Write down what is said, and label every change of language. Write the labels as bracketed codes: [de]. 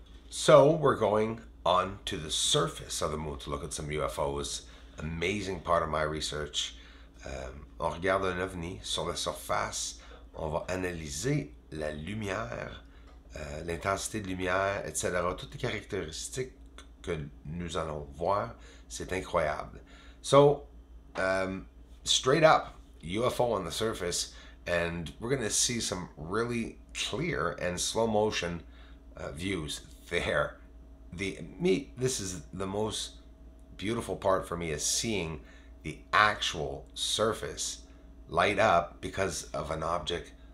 [en] So we're going on to the surface of the moon to look at some UFOs. Amazing part of my research. [fr] On regarde un ovni sur la surface. On va analyser la lumière, l'intensité de lumière, etc. Toutes les caractéristiques que nous allons voir. C'est incroyable. [en] So, straight up, UFO on the surface. And we're going to see some really clear and slow motion views. There, this is the most beautiful part for me, is seeing the actual surface light up because of an object